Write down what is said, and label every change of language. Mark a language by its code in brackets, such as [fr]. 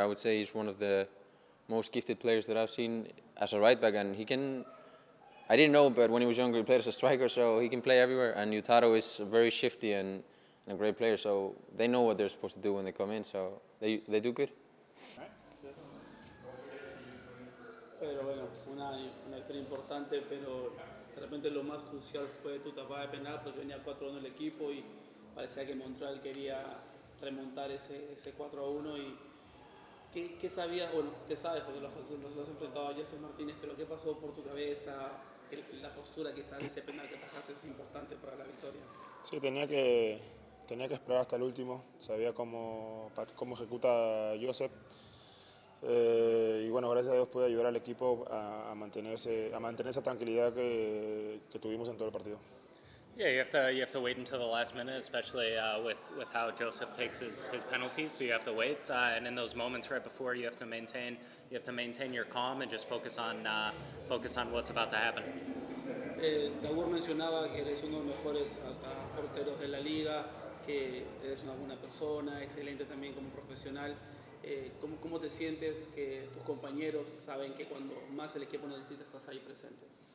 [en] I would say he's one of the most gifted players that I've seen as a right back, and I didn't know, but when he was younger, he played as a striker, so he can play everywhere. And Yutaro is very shifty and a great player, so they know what they're supposed to do when they come in, so they do good. [es] Pero bueno, una historia importante, pero de repente lo más crucial fue tu tapada de penal, porque venía 4-1 el equipo y parecía que Montreal quería remontar ese 4-1. Y ¿qué sabías? Bueno, ¿qué sabes? Porque los has enfrentado a Jason Martínez, pero ¿qué pasó por tu cabeza? La postura que sale ese penal que atajaste es importante para la victoria. Sí, tenía que esperar hasta el último. Sabía cómo ejecuta Joseph. Y bueno, gracias a Dios pude ayudar al equipo a mantener esa tranquilidad que tuvimos en todo el partido. [en] Yeah, you have to wait until the last minute, especially with how Joseph takes his penalties. So you have to wait, and in those moments right before, you have to maintain your calm and just focus on what's about to happen. [es] Davor mencionaba que eres uno de los mejores porteros de la liga, que eres una buena persona, excelente también como profesional. ¿Cómo te sientes que tus compañeros saben que cuando más el equipo necesita estás ahí presente?